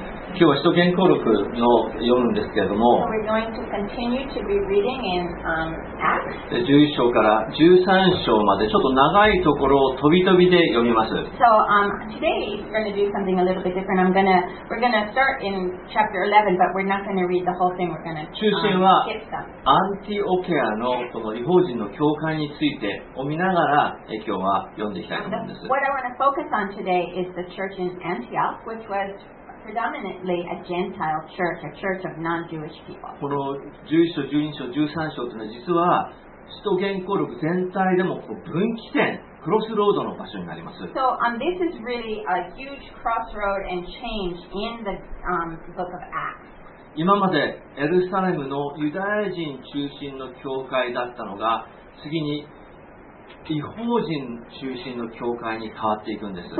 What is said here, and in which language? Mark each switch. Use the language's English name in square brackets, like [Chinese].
[English] Today we're going to read the health record. So we're going to continue to be reading in Acts. [Japanese] 11章から13章までちょっと長いところを飛び飛びで読みます。 [English] So today we're going to do something a little bit different. We're going to start in chapter 11, but we're not going to read the whole thing. We're going to skip some. [Japanese] 中心はティオケアのこの異邦人の教会についてを見ながら今日は読んでいきたいと思うんです。 [English] What I want to focus on today is the church in Antioch, which was predominantly a Gentile church, a church of non-Jewish people. [Japanese] この11章、12章、13章というのは実は使徒言行録全体でも分岐点、クロスロードの場所になります。 [English] So, this is really a huge crossroad and change in the, book of Acts. [Japanese] 今までエルサレムのユダヤ人中心の教会だったのが、次に異邦人中心の教会に変わっていくんです。